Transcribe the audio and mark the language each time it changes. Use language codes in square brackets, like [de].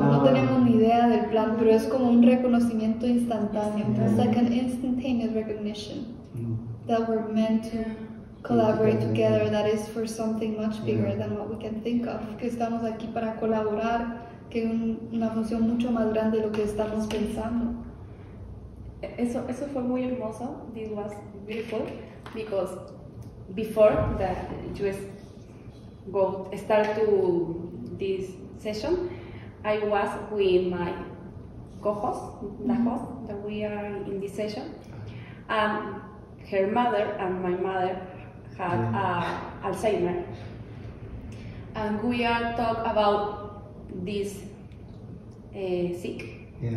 [es] No tenemos ni idea del plan, pero es como un reconocimiento instantáneo. [en] It's like an instantaneous recognition that we're meant to collaborate together. That is for something much bigger than what we can think of. [es] Que estamos aquí para colaborar, que es una función mucho más grande de lo que estamos pensando. Eso fue muy hermoso. [en] This was beautiful because before that you go start to this session, I was with my co-host, the host that we are in this session, and her mother and my mother had Alzheimer's, and we are talk about this sick